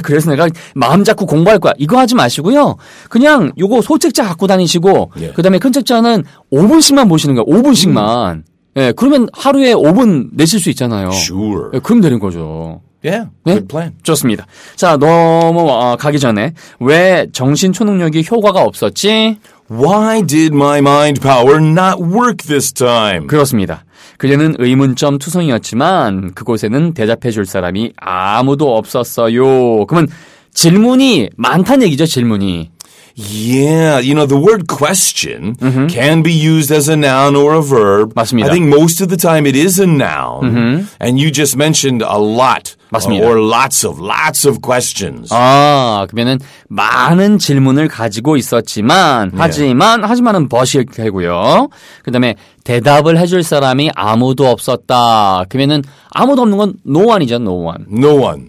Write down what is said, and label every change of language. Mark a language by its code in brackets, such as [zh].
[ko] 그래서 내가 마음 잡고 공부할 거야. 이거 하지 마시고요. 그냥 요거 소책자 갖고 다니시고, 그 다음에 큰 책자는 5분씩만 보시는 거야. 5분씩만. 예, 그러면 하루에 5분 내실 수 있잖아요. [en] Sure. [ko] 예, 그럼 되는 거죠. [en] Yeah, good plan. 네? [ko] 좋습니다. 자, 너무 가기 전에 왜 정신 초능력이 효과가 없었지? [en] Why did my mind power not work this time? [ko] 그렇습니다. 그녀는 의문점 투성이었지만 그곳에는 대답해 줄 사람이 아무도 없었어요. 그러면 질문이 많다는 얘기죠, 질문이. [en] Yeah, you know, the word question mm-hmm. can be used as a noun or a verb. [ko] 맞습니다. [en] I think most of the time it is a noun. Mm-hmm. And you just mentioned a lot [ko] 맞습니다. [en] Or lots of questions. [ko] 아, 그러면은 많은 질문을 가지고 있었지만, 하지만, yeah. 하지만은 but이고요. 그 다음에 대답을 해줄 사람이 아무도 없었다. 그러면은 아무도 없는 건 no one이죠, no one. [en] No one.